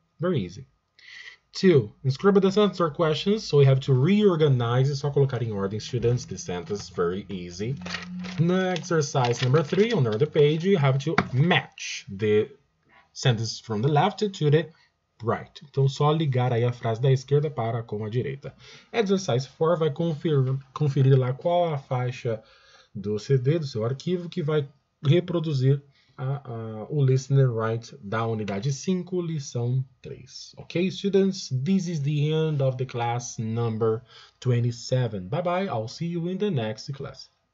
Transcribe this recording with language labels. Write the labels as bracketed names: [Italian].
[English] Very easy. 2. Inscribe the sentence or questions. So we have to reorganize. [Portuguese] Só colocar em ordem, [English] students. The sentence is very easy. Next, exercise number 3. On the other page, you have to match the sentence from the left to the right. [Portuguese] Então, só ligar aí a frase da esquerda para com a direita. Exercise 4 vai conferir lá qual a faixa do CD, do seu arquivo, que vai reproduzir o listener write da unidade 5, lição 3. [English] Ok, students? This is the end of the class number 27. Bye-bye. I'll see you in the next class.